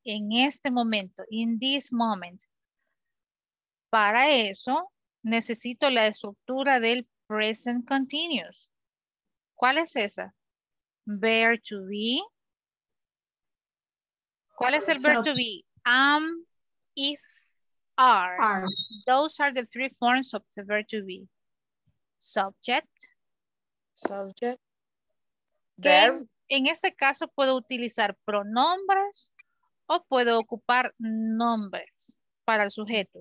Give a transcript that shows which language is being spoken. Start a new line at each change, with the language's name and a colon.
Spanish: En este momento,
English: in this moment.
Spanish: Para eso necesito la estructura del present continuous. ¿Cuál es esa? Verb to be. ¿Cuál es el verb to be?
English: am, is, are. Are. Those are the three forms of the verb to be. Subject. Subject. Verb.
Spanish: En este caso puedo utilizar pronombres o puedo ocupar nombres para el sujeto.